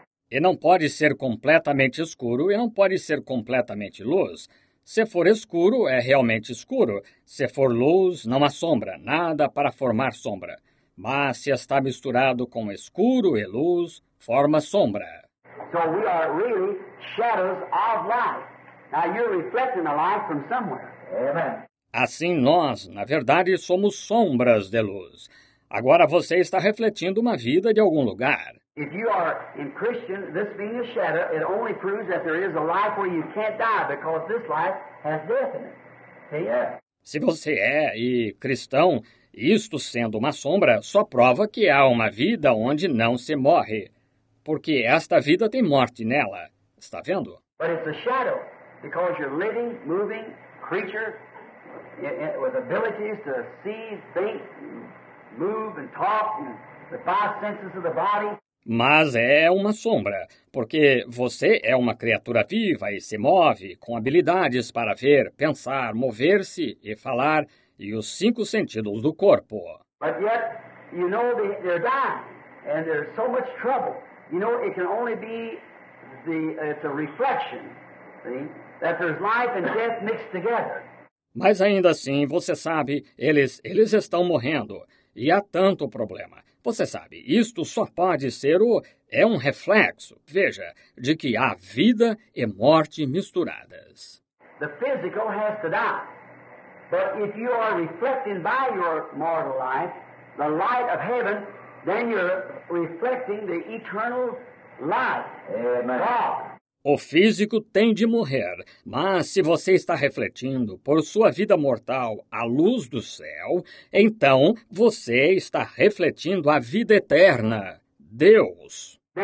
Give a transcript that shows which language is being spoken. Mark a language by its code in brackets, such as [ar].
[pt] E não pode ser completamente escuro e não pode ser completamente luz. Se for escuro, é realmente escuro. Se for luz, não há sombra, nada para formar sombra. Mas se está misturado com escuro e luz, forma sombra. [en] So we are really shadows of life. Now you're reflecting the light from somewhere. Amen. [pt] Assim nós, na verdade, somos sombras de luz. Agora você está refletindo uma vida de algum lugar. [en] If you are in Christian, this being a shadow, it only proves that there is a life where you can't die because this life has death in it. See? Yeah. [pt] Se você é e cristão, isto sendo uma sombra, só prova que há uma vida onde não se morre. Porque esta vida tem morte nela. Está vendo? [en] But it's a shadow because you're living, moving creature with abilities to see, think, move and talk and the five senses of the body. [pt] Mas é uma sombra, porque você é uma criatura viva e se move com habilidades para ver, pensar, mover-se e falar e os cinco sentidos do corpo. [en] But yet, you know, they're dying and there's so much trouble. You know, it can only be it's a reflection, see, that there's life and death mixed together. [pt] Mas ainda assim, você sabe, eles estão morrendo e há tanto problema. Você sabe, isto só pode ser é um reflexo, veja, de que há vida e morte misturadas. [en] The physical has to die. But if you are reflecting by your mortal life, the light of heaven, then you're reflecting the eternal light. Amen. God. [pt] O físico tem de morrer, mas se você está refletindo por sua vida mortal a luz do céu, então você está refletindo a vida eterna, Deus.